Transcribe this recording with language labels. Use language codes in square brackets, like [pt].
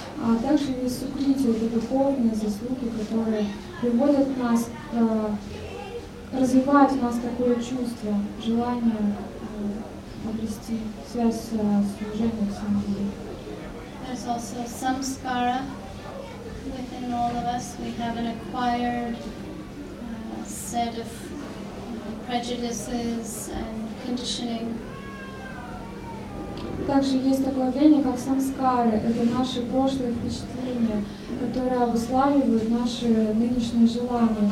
[ru] А также есть сукрити, это духовные заслуги, которые приводят нас, развивают в нас такое чувство, желание обрести связь с служением самим. [en] There's also samskara within all of us. We have an acquired set of prejudices and conditioning. [ru] Также есть такое явление, как самскары. Это наши прошлые впечатления, которые обуславливают наши нынешние желания.